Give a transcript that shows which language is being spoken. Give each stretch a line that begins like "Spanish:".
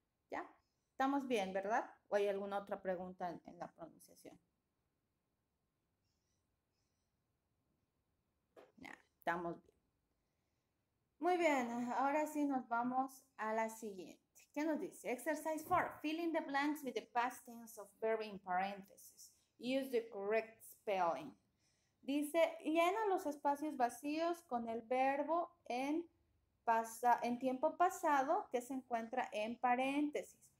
Spanish: ¿Ya? Estamos bien, ¿verdad? ¿O hay alguna otra pregunta en la pronunciación? Estamos bien. Muy bien, ahora sí nos vamos a la siguiente. ¿Qué nos dice? Exercise 4.
English: Fill in the blanks with the past tense of verb in parentheses. Use the correct spelling.
Spanish: Dice, llena los espacios vacíos con el verbo en tiempo pasado que se encuentra en paréntesis.